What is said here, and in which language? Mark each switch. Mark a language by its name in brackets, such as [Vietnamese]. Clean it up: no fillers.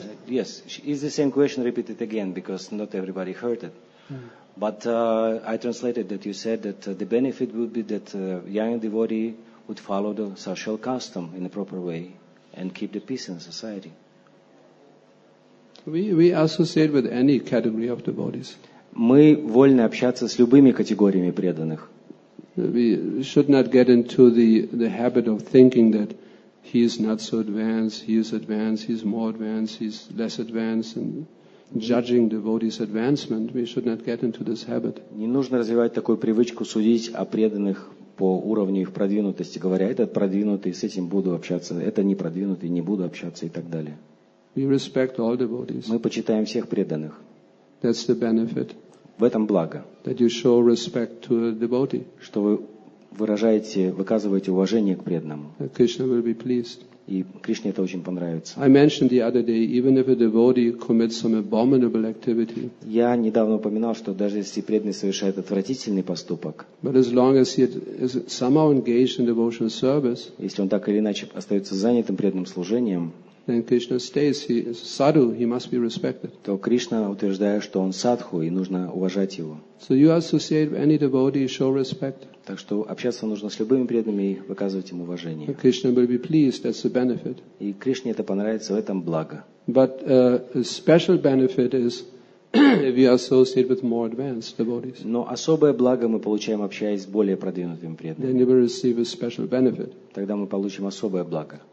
[English] Yes, it's the same question repeated again because not everybody heard it. Mm. But I translated that you said that the benefit would be that young devotee would follow the social custom in a proper way and keep the peace in society. We associate with any category of devotees. [Russian] Мы вольны общаться с любыми категориями преданных. [English] We should not get into the habit of thinking that he is not so advanced, he is advanced, he is more advanced, he is less advanced, and judging devotees' advancement. We should not get into this habit. [Russian] Не нужно развивать такую привычку судить о преданных по уровню их продвинутости, говоря, этот продвинутый, с этим буду общаться, это не продвинутый, не буду общаться и так далее. [English] We respect all devotees. [Russian] Мы почитаем всех преданных. [English] That's the benefit. [Russian] В этом благо, [English] that you show respect to a devotee, [Russian] что вы выказываете уважение к преданному. [English] That Krishna will be pleased. [Russian] И Кришне это очень понравится. [English] I mentioned the other day, even if a devotee commits some abominable activity, [Russian] я недавно упоминал, что даже если преданный совершает отвратительный поступок, [English] but as long as he is somehow engaged in devotional service, [Russian] если он так или иначе остается занятым преданным служением, [English] then Krishna states he is a sadhu, he must be respected. [Russian] То Кришна утверждает, что он садху, и нужно уважать его. [English] So you associate with any devotee, show respect. [Russian] Так что общаться нужно с любыми преданными и выказывать им уважение. [English] And Krishna will be pleased, that's the benefit. [Russian] И Кришне это понравится, в этом благо. [English] But a special benefit is if you associate with more advanced devotees. [Russian] Но особое благо мы получаем, общаясь с более продвинутыми преданными. [English] Then you will receive a special benefit. [Russian] Тогда мы получим особое благо.